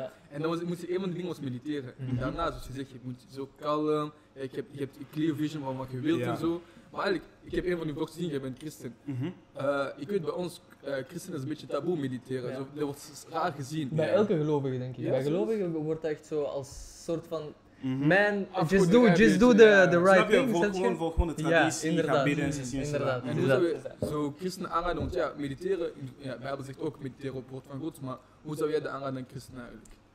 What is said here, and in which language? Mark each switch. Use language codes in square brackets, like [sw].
[nl] En dan moest je een van de dingen was mediteren. En daarna, zoals je zegt, je moet zo kalm, je hebt een [en] clear vision [nl] van wat je wilt en zo. Maar eigenlijk, ik heb een van je vlogs gezien, jij bent christen. Ik weet bij ons, christen is een beetje taboe mediteren. Zo, dat wordt raar gezien. Bij elke gelovige, denk ik. Ja, bij gelovigen wordt dat echt zo als soort van... [en] Man, just do the right thing. [nl] Snap je? Volg gewoon de traditie, inderdaad, ga bidden inderdaad. Zo christenen aanraden, want mediteren... Ja, de Bijbel zegt ook mediteren op woord van God, maar hoe zou jij dat aanraden aan christenen eigenlijk?